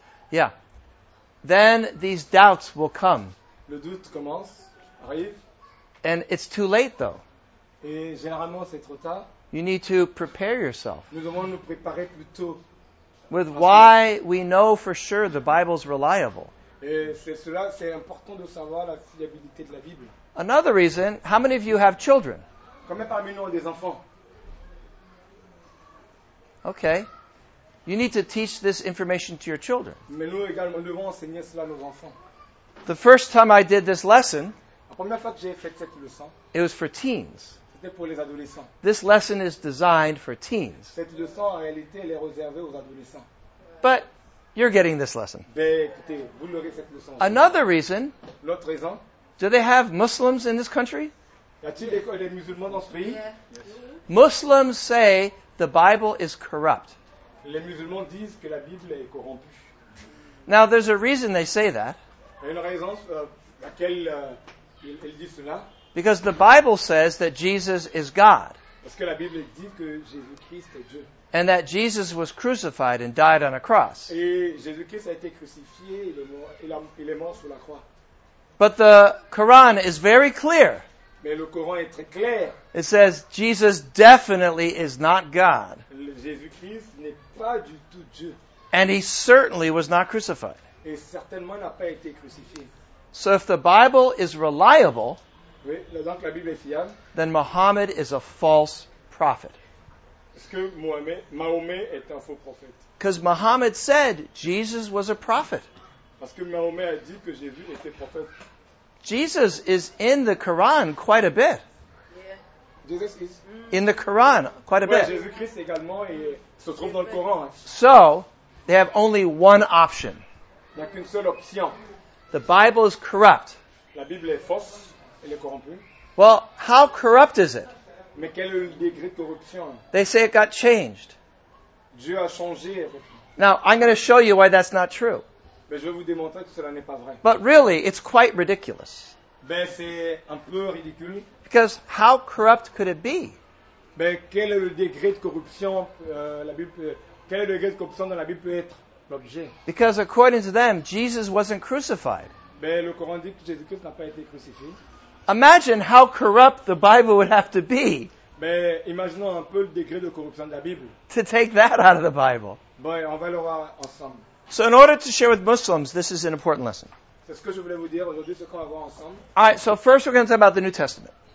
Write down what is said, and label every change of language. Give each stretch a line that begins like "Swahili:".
English: yeah, then these doubts will come.
French: Le doute commence, arrive.
English: And it's too late, though.
French: Et généralement, c'est trop tard.
English: You need to prepare yourself.
French: Nous devons nous préparer plus tôt.
English: With why we know for sure the Bible is reliable.
French: Et c'est cela, c'est important de savoir la fiabilité de la Bible.
English: Another reason, how many of you have children?
French: Combien parmi nous ont des enfants?
English: Okay. You need to teach this information to your children.
French: Mais nous également devons enseigner cela à nos enfants.
English: The first time I did this lesson,
French: la première fois que j'ai fait cette leçon,
English: it was for teens.
French: C'était pour les adolescents.
English: This lesson is designed for teens.
French: Cette leçon, en réalité, elle est réservée aux adolescents.
English: But you're getting this lesson.
French: Mais écoutez, vous l'aurez cette leçon.
English: Another reason,
French: l'autre raison,
English: do they have Muslims in this country?
French: Y a-t-il des musulmans dans ce pays?
English: Yes. Muslims say the Bible is corrupt.
French: Les musulmans disent que la Bible est corrompue.
English: Now, there's a reason they say that.
French: Il y a une raison laquelle ils disent cela.
English: Because the Bible says that Jesus is God.
French: Parce que la Bible dit que Jésus-Christ est Dieu.
English: And that Jesus was crucified and died on a cross.
French: Et Jésus-Christ a été crucifié et il est mort sur la croix.
English: But the Quran is very clear.
French: Mais le Coran est très clair.
English: It says Jesus definitely is not God.
French: Jésus-Christ n'est pas du tout Dieu.
English: And he certainly was not crucified.
French: Et certainement n'a pas été crucifié.
English: So if the Bible is reliable,
French: oui, donc la Bible est fiable,
English: then Muhammad is a false prophet.
French: Parce que Mahomet est un faux prophète.
English: Because Muhammad said Jesus was a prophet.
French: Parce que Mahomet a dit que Jésus était prophète.
English: Jesus is in the Quran quite a bit. Jesus is in the Quran quite a bit.
French: Jésus-Christ également se trouve dans le Coran.
English: So, they have only one option.
French: Il n'y a qu'une seule option.
English: The Bible is corrupt.
French: La Bible est fausse. Elle est corrompue.
English: Well, how corrupt is it?
French: Mais quel est le degré de corruption?
English: They say it got changed.
French: Dieu a changé.
English: Now, I'm going to show you why that's not true.
French: Mais je vais vous démontrer que cela n'est pas vrai.
English: But really, it's quite ridiculous.
French: Ben, c'est un peu ridicule.
English: Because how corrupt could it be?
French: Ben, quel est le degré de corruption, la Bible peut, quel est le degré de corruption dans la Bible peut être l'objet?
English: Because according to them, Jesus wasn't crucified.
French: Ben, le Coran dit que Jésus-Christ n'a pas été crucifié.
English: Imagine how corrupt the Bible would have to be.
French: Ben, imaginons un peu le degré de corruption de la Bible.
English: To take that out of the Bible.
French: Ben, on va le voir ensemble.
English: So in order to share with Muslims, this is an important lesson.
French: C'est ce que je voulais vous dire aujourd'hui, ce qu'on va voir ensemble.
English: All right, so first we're going to talk about the New Testament.